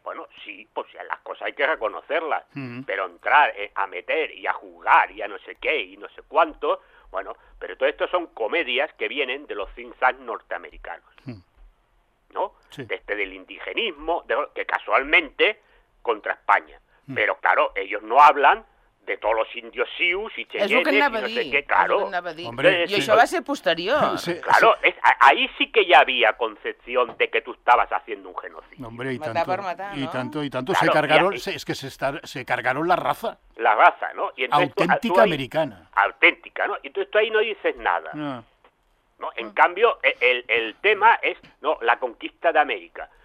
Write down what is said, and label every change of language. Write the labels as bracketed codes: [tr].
[es] Bueno, sí, pues sí, las cosas hay que reconocerlas. Pero entrar a meter y a juzgar y a no sé qué y no sé cuánto, bueno, pero todo esto son comedias que vienen de los think tanks norteamericanos. ¿No? Sí. Desde el indigenismo, que casualmente contra España. Pero claro, ellos no hablan de [ca] tots els indios sius i cheyennes i no sé què, [es] claro. [ca] Hombre, i sí. Això va ser posterior. [es] Sí, claro, sí. Ahí sí que ya había concepción de que tú estabas haciendo un genocidio. Hombre, y matar tanto, por matar, ¿no? Y tanto, y tanto. Claro, se cargaron, y... es que se cargaron la raza. La raza, ¿no? Y entonces, auténtica tú ahí, americana. Auténtica, ¿no? Y entonces tú ahí no dices nada. No. ¿No? En cambio, el tema es no la conquista de América.